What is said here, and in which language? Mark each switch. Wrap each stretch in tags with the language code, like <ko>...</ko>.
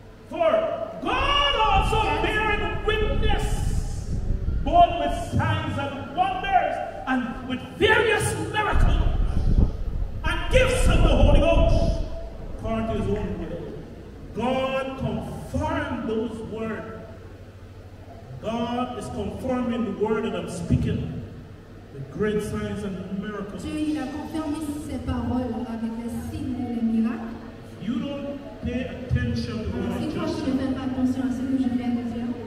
<en>For God also bearing witness, both with signs and wonders, and with various miracles and gifts of the Holy Ghost, according to his own will. God confirmed those words. God is confirming the word that I'm speaking, the great signs and miracles.</en> <fr>Dieu, il a confirmé ses paroles avec les signes et les miracles.</fr> <en>You don't pay attention to what I just said.</en> <fr>Si toi, tu ne fais pas attention à ce que je viens de dire.</fr>